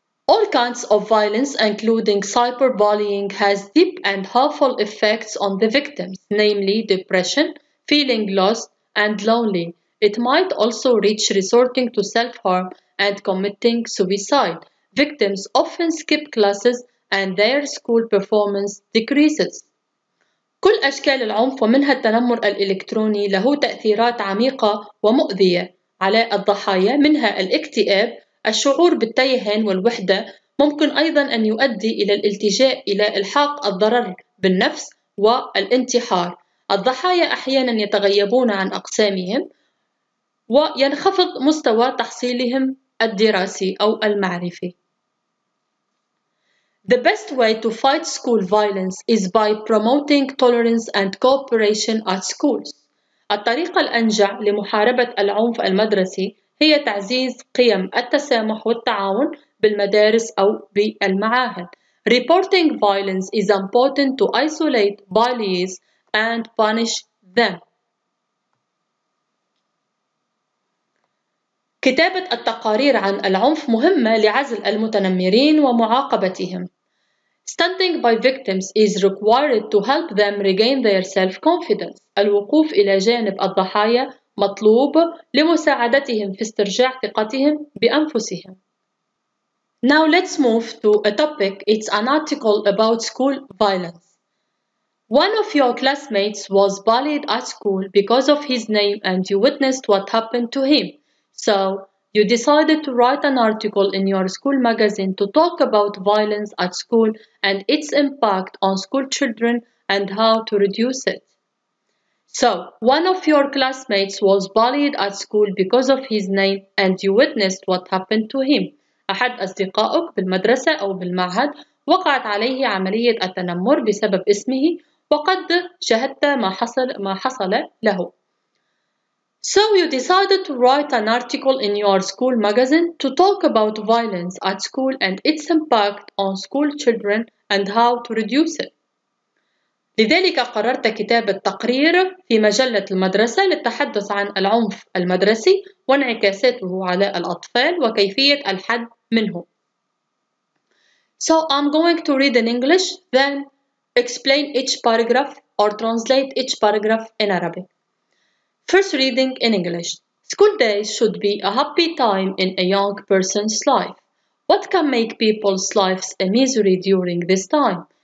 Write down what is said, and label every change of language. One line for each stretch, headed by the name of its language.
English: All kinds of violence including cyberbullying has deep and harmful effects on the victims, namely depression, feeling lost and lonely. It might also reach resorting to self-harm and committing suicide. Victims often skip classes and their school performance decreases.
Arabic: كل أشكال العنف ومنها التنمر الإلكتروني له تأثيرات عميقة ومؤذية على الضحايا، منها الاكتئاب، الشعور بالتيهان والوحدة. ممكن أيضا أن يؤدي إلى الالتجاء إلى إلحاق الضرر بالنفس والانتحار. الضحايا أحيانا يتغيبون عن أقسامهم وينخفض مستوى تحصيلهم الدراسي أو المعرفي.
English: The best way to fight school violence is by promoting tolerance and cooperation at schools.
Arabic: الطريقة الأنجع لمحاربة العنف المدرسي هي تعزيز قيم التسامح والتعاون بالمدارس أو بالمعاهد.
English: Reporting violence is important to isolate bullies and punish them.
Arabic: كتابة التقارير عن العنف مهمة لعزل المتنمرين ومعاقبتهم.
English: Standing by victims is required to help them regain their self-confidence.
Arabic: الوقوف إلى جانب الضحايا مطلوب لمساعدتهم في استرجاع ثقتهم بأنفسهم.
English: Now let's move to a topic. It's an article about school violence. One of your classmates was bullied at school because of his name and you witnessed what happened to him. So, you decided to write an article in your school magazine to talk about violence at school and its impact on school children and how to reduce it. So, one of your classmates was bullied at school because of his name and you witnessed what happened to him.
Arabic: أحد أصدقائك بالمدرسة أو بالمعهد وقعت عليه عملية التنمر بسبب اسمه وقد شاهدت ما حصل له.
English: So you decided to write an article in your school magazine to talk about violence at school and its impact on school children and how to reduce it.
Arabic: لذلك قررت كتابة تقرير في مجلة المدرسة للتحدث عن العنف المدرسي وانعكاساته على الأطفال وكيفية الحد منه.
English: So I'm going to read in English, then explain each paragraph or translate each paragraph in Arabic. First reading in English. School days should be a happy time in a young person's life. What can make people's lives a misery during this time?